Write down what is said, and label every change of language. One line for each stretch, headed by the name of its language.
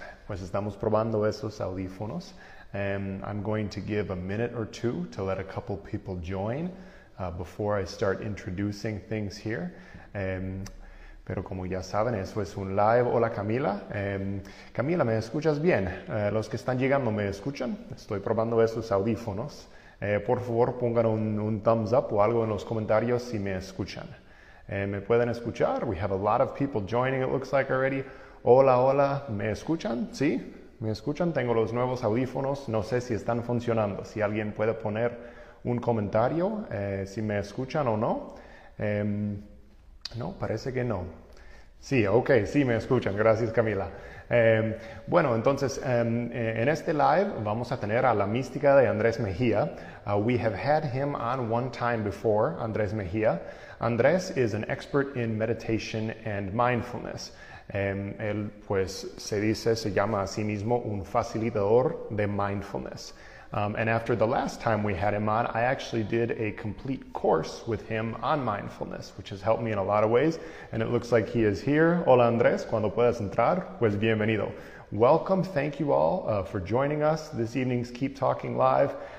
Spanish: Estamos probando esos audífonos.
English: I'm going to give a minute or two to let a couple people join before I start introducing things here.
Spanish: Pero como ya saben, eso es un live. Hola, Camila. Camila, ¿me escuchas bien? Los que están llegando, ¿me escuchan? Estoy probando esos audífonos. Por favor, pongan un
English: thumbs up
Spanish: o algo en los comentarios si me escuchan. ¿Me pueden escuchar?
English: We have a lot of people joining, it looks like, already.
Spanish: Hola, hola. ¿Me escuchan?
English: ¿Sí? ¿Me escuchan?
Spanish: Tengo los nuevos audífonos. No sé si están funcionando. Si alguien puede poner un comentario, si me escuchan o no. No, parece que no. Sí, ok, sí me escuchan. Gracias, Camila. Bueno, entonces, en este live vamos a tener a la mística de Andrés Mejía.
English: We have had him on one time before, Andrés Mejía. Andrés is an expert in meditation and mindfulness.
Spanish: Él, pues, se llama a sí mismo un facilitador de mindfulness.
English: And after the last time we had him on, I actually did a complete course with him on mindfulness, which has helped me in a lot of ways. And it looks like he is here.
Spanish: Hola, Andrés. Cuando puedas entrar, pues bienvenido.
English: Welcome. Thank you all for joining us this evening's Keep Talking Live.